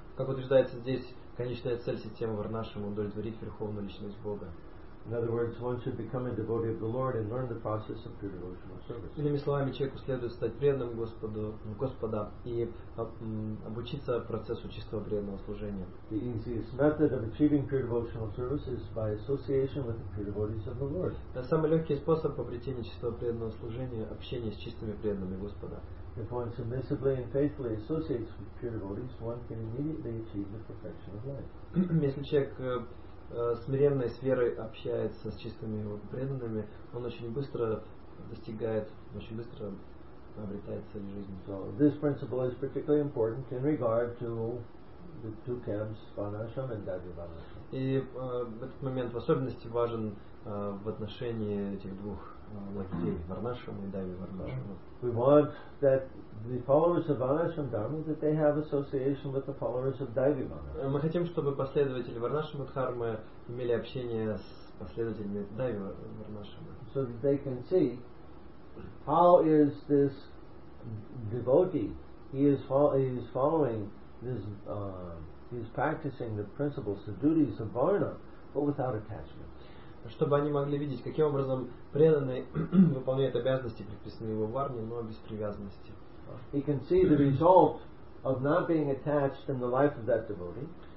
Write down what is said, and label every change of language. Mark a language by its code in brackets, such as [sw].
[ru] Как утверждается здесь, конечная цель системы Варнашрам — удовлетворить Верховную Личность Бога. [en] In other words, one should become a devotee of the Lord and learn the process of pure devotional service. [ru] Иными словами, человеку следует стать преданным Господа и обучиться процессу чистого преданного служения. [en] The easiest method of achieving pure devotional service is by association with the pure devotees of the Lord. [ru] Самый легкий способ обретения чистого преданного служения — общение с чистыми преданными Господа. [en] If one submissively and faithfully associates with pure devotees, one can immediately achieve the perfection of life. [ru] Если человек смиренно и с верой общается с чистыми его преданными, он очень быстро достигает, очень быстро обретает цель жизни. [en] So this principle is particularly important in regard to the two camps, Varnashram and Dadi Varnashram. [ru] И этот момент в особенности важен в отношении этих двух Лакхей Варнашрама и Дайви Варнашрама. [en] We want that the followers of Varnashram Dharma that they have association with the followers of Dayvi Varnashram. [ru] Мы хотим, чтобы последователи Варнашрама Дхармы имели общение с последователями Дайви Варнашрама. [en] So that they can see how is this devotee, he is following this, he is practicing the principles, the duties of Varna, but without attachment. [ru] Чтобы они могли видеть, каким образом преданный выполняет обязанности, приписанные его варне, но без привязанности. [en] He can see the result of not being attached in the life of that devotee.